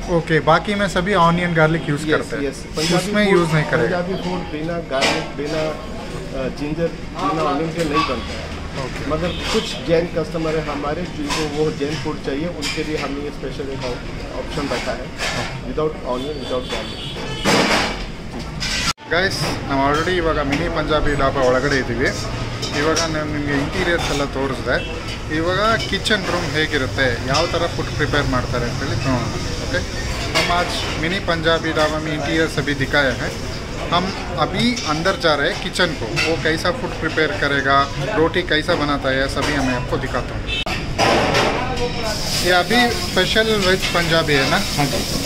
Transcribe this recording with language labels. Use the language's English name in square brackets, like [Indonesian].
[Hindi] Okay बाकी में सभी ऑनियन गार्लिक यूज़ करते हैं उसमें यूज़ नहीं करते पंजाबी फूड बिना गार्लिक बिना जिंजर बिना ऑनियन के नहीं बनता है ओके मगर कुछ जैन कस्टमर है हमारे जिनको वो जैन फूड चाहिए उनके लिए हमने ये स्पेशल एक ऑप्शन रखा है without onion without garlic [Kannada] guys ನಾವು ಆಲ್ರೆಡಿ ಇವಾಗ ಮಿನಿ ಪಂಜಾಬಿ ಡಾಬಾ ಒಳಗಡೆ ಇದ್ದೀವಿ ಇವಾಗ ನಾನು ನಿಮಗೆ ಇಂಟೀರಿಯರ್ಸ್ ಎಲ್ಲ ತೋರಿಸಿದೆ ಇವಾಗ ಕಿಚನ್ ರೂಮ್ ಹೇಗಿರುತ್ತೆ ಯಾವ ಥರ ಫುಡ್ ಪ್ರಿಪೇರ್ ಮಾಡ್ತಾರೆ ಅಂತೇಳಿ ನೋಡೋಣ ಓಕೆ ನಮ್ಮ [Hindi] ಆಜ್ ಮಿನಿ ಪಂಜಾಬಿ ಡಾಬಾ ಮೇ ಇಂಟೀರಿಯರ್ಸ್ ಅಭಿ ದಿಖಾಯ ಹೇ हम अभी अंदर जा रहे हैं किचन को, वो कैसा फूड प्रिपेयर करेगा, रोटी कैसा बनाता है, सभी हमें आपको दिखाता हूँ। ये अभी स्पेशल वेज पंजाबी है ना। हाँ जी।